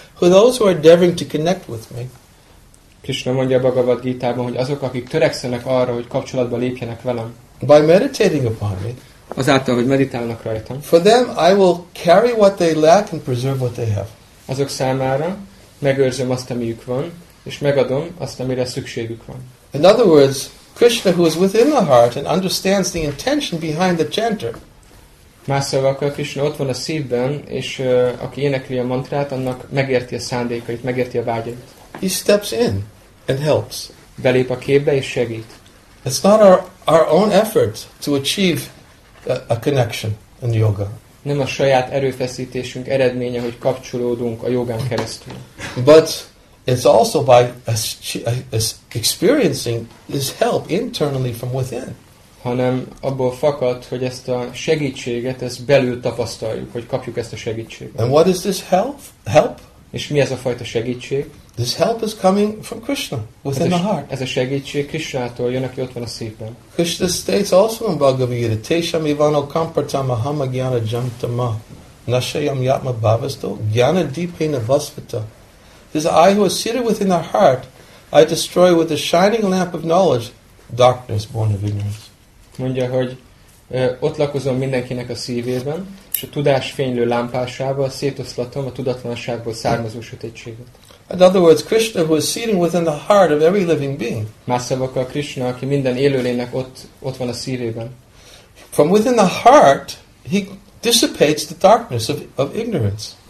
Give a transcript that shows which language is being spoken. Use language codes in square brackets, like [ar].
[en] Who those who are endeavoring to connect with me. [hu] Krishna mondja a Bhagavad Gita-ban, hogy azok, akik törekszenek arra, hogy kapcsolatba lépjenek velem. [en] By meditating upon me. [hu] Azáltal, hogy meditálnak rajtam. [en] For them, I will carry what they lack and preserve what they have. [hu] Azok számára megőrzöm azt, amiük van, és megadom azt, amire szükségük van. [en] In other words, Krishna, who is within the heart and understands the intention behind the chanter, [hu] Más szóval akkor Krishna ott van a szívben, és aki énekli a mantrát, annak megérti a szándékait, megérti a vágyait. [en] He steps in and helps. [hu] Belép a képbe és segít. [en] It's not our own effort to achieve a connection in yoga. [hu] Nem a saját erőfeszítésünk eredménye, hogy kapcsolódunk a jogán keresztül. [en] But it's also by experiencing this help internally from within. [hu] Hanem abból fakad, hogy ezt a segítséget, ezt belül tapasztaljuk, hogy kapjuk ezt a segítséget. [en] And what is this help? [hu] És mi ez a fajta segítség? [en] This help is coming from Krishna within the heart. [hu] Ez a segítség Krishnától jön, aki ott van a szívben. [en] Krishna states also in Bhagavad Gita, [sa] Tesham Ivano Kampartam Aham Agyana Jamtama Nashayam Yatma Bhavasto Gyana Deepena Vasvita. [en] This eye who is seated within the heart, I destroy with the shining lamp of knowledge darkness born of ignorance. [hu] Mondja, hogy ott lakozom mindenkinek a szívében, és a tudás fénylő lámpásával szétoszlatom a tudatlanságból származó sötétséget. [en] In other words, Krishna who is seated within the heart of every living being. [hu] Más szóval a Krishna, aki minden élőlénynek ott van a szívében. [en] From within the heart, he dissipates the darkness of ignorance.